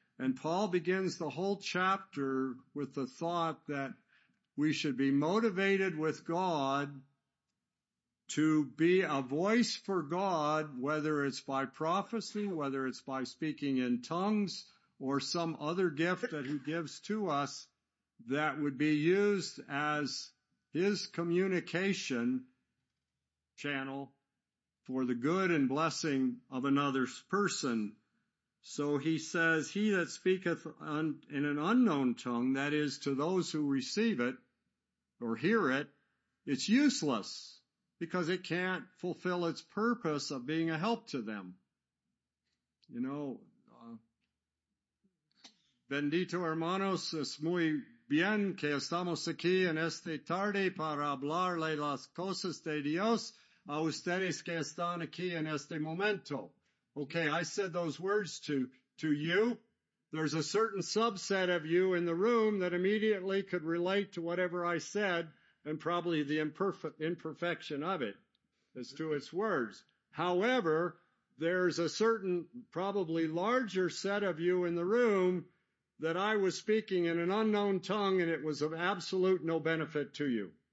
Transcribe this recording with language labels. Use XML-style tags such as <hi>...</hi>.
<en>And Paul begins the whole chapter with the thought that we should be motivated with God to be a voice for God, whether it's by prophecy, whether it's by speaking in tongues, or some other gift that he gives to us that would be used as his communication channel for the good and blessing of another person. So he says, he that speaketh in an unknown tongue, that is, to those who receive it or hear it, it's useless because it can't fulfill its purpose of being a help to them.</en> <es>You know, bendito hermanos, es muy bien que estamos aquí en esta tarde para hablarle las cosas de Dios a ustedes que están aquí en este momento.</es> <en>Okay, I said those words to you. There's a certain subset of you in the room that immediately could relate to whatever I said and probably the imperfection of it as to its words. However, there's a certain probably larger set of you in the room that I was speaking in an unknown tongue and it was of absolute no benefit to you.</en>